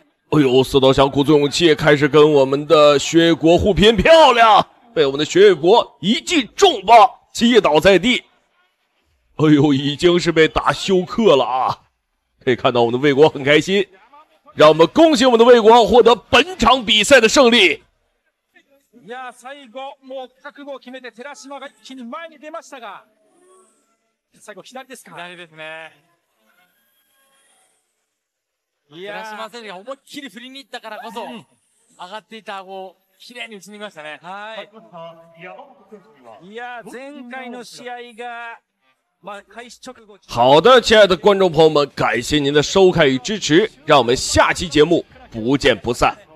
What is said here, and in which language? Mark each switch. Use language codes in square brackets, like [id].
[zh] 哎呦，四刀翔鼓足勇气开始跟我们的雪月国互拼，漂亮，被我们的雪月国一记重棒击倒在地。哎呦，已经是被打休克了啊，可以看到我们的魏国很开心，让我们恭喜我们的魏国获得本场比赛的胜利。 [ja] いや、最後もう覚悟を決めて寺島が一気に前に出ましたが、最後左ですか。左ですね。寺島選手が思いっきり振りに行ったからこそ、上がっていた顎を綺麗に打ち抜きましたね。はい。いや、前回の試合が、まあ、開始直後。 [zh] 好的、亲爱的观众朋友们、感谢您的收看与支持。让我们下期节目、不见不散。